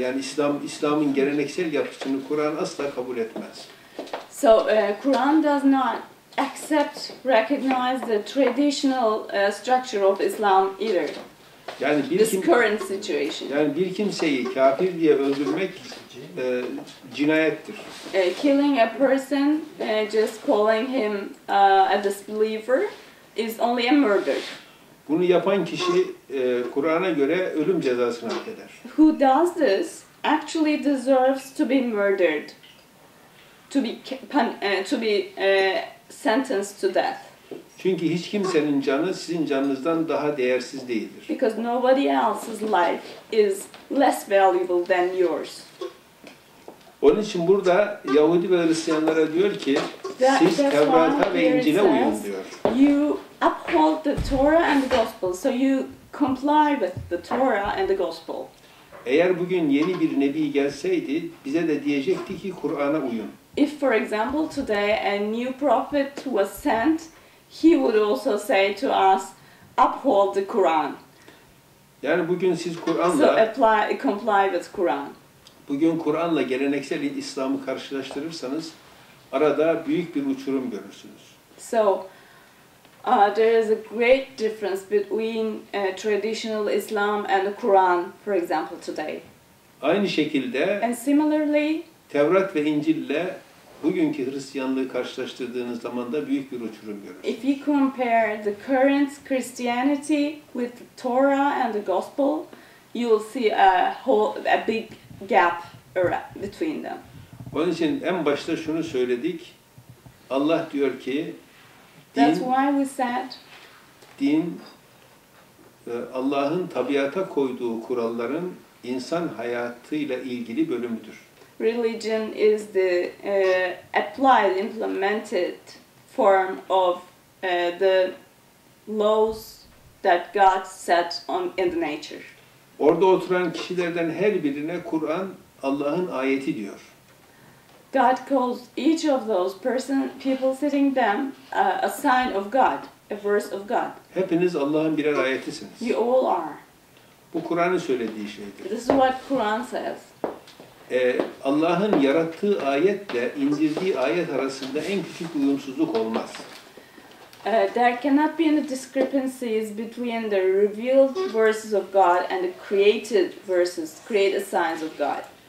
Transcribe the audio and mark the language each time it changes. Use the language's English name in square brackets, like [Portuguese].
[Turkish] Yani İslam'ın geleneksel yapısını Kur'an asla kabul etmez. [English] So Kur'an does not accept, recognize the traditional structure of Islam either. [Turkish] Yani bir [English] this current situation. [Turkish] Yani bir kimseyi kafir diye öldürmek cinayettir. [English] Killing a person just calling him a disbeliever is only a murder. [Turkish] Bunu yapan kişi Kur'an'a göre ölüm cezasını hak eder. [English] Who does this actually deserves to be murdered, to be sentenced to death. [Turkish] Çünkü hiç kimsenin canı sizin canınızdan daha değersiz değildir. [English] Because nobody else's life is less valuable than yours. [Turkish] Onun için burada Yahudi ve Hristiyanlara diyor ki siz Tevrat'a ve İncil'e uyun diyor. [English] You uphold the Torah and the Gospel, so you comply with the Torah and the Gospel. [Turkish] Eğer bugün yeni bir nebi gelseydi bize de diyecekti ki Kur'an'a uyun. [English] If for example today a new prophet was sent, he would also say to us, uphold the Quran. [Turkish] Yani bugün siz Kur'an'la, [English] so apply, comply with Quran. [Turkish] Bugün Kur'an'la geleneksel İslam'ı karşılaştırırsanız arada büyük bir uçurum görürsünüz. [English] So there is a great difference between traditional Islam and the Quran, for example, today. [Turkish] Aynı şekilde, [English] and similarly, [Turkish] Tevrat ve İncil'le bugünkü Hristiyanlığı karşılaştırdığınız zaman da büyük bir uçurum görürsünüz. [English] If you compare the current Christianity with the Torah and the Gospel, you will see a big gap between them. [Turkish] Onun için en başta şunu söyledik. Allah diyor ki, [English] that's why we said [Turkish] din Allah'ın tabiata koyduğu kuralların insan hayatıyla ilgili bölümüdür. [English] Religion is the applied, implemented form of the laws that God set on in the nature. [Turkish] Orada oturan kişilerden her birine Kur'an Allah'ın ayeti diyor. [English] God calls each of those people sitting them a sign of God, a verse of God. [Turkish] Hepiniz Allah'ın birer ayetisiniz. [English] You all are. [Turkish] Bu Kur'an'ın söylediği şeydir. [English] This is what Quran says. [Turkish] Allah'ın yarattığı ayetle indirdiği ayet arasında en küçük uyumsuzluk olmaz. [English] There cannot be any discrepancies between the revealed verses of God and the created verses, created signs of God.